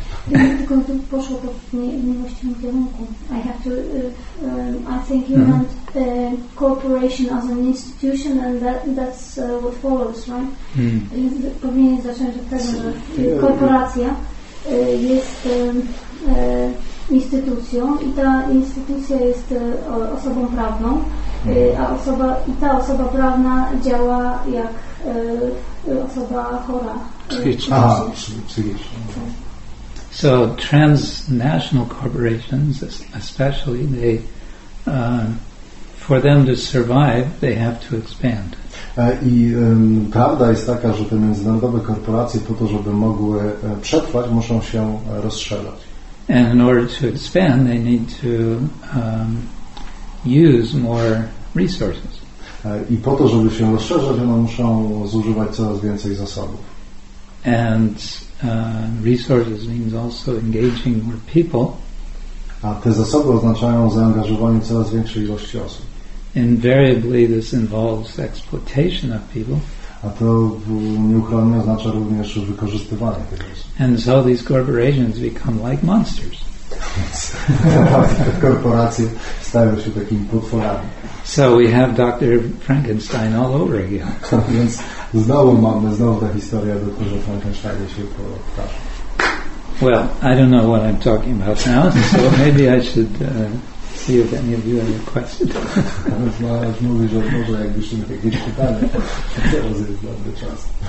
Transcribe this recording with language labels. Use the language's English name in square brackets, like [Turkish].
[Polish] Ja bym tylko to poszło po niewłaściwym kierunku. [English] I have to, I think you meant cooperation as an institution and that's what follows, right? [Polish] Powinien zacząć od tego, że korporacja jest instytucją i ta instytucja jest osobą prawną, a ta osoba prawna działa jak osoba chora. Psychiczna. [English] So transnational corporations, especially, they, for them to survive, they have to expand. [Polish] I prawda jest taka, że te międzynarodowe korporacje po to, żeby mogły przetrwać, muszą się rozszerzać. [English] And in order to expand, they need to use more resources. [Polish] I po to, żeby się rozszerzać, one muszą zużywać coraz więcej zasobów. [English] And resources means also engaging more people. [Polish] A te zasoby oznaczają zaangażowanie coraz większej ilości osób. [English] Invariably this involves exploitation of people. [Polish] A to nieuchronnie oznacza również wykorzystywanie tych osób. [English] And so these corporations become like monsters. [Polish] Te korporacje stają się takimi potworami. [English] So we have Dr. Frankenstein all over again. [Polish] Więc znowu ta historia do tego, że Frankenstein się powtarza. [English] Well, I don't know what I'm talking about now, so maybe I should see if any of you have any questions. [Polish] Teraz mówię, że może jakbyśmy mieli jakieś pytania, to teraz jest dobry czas.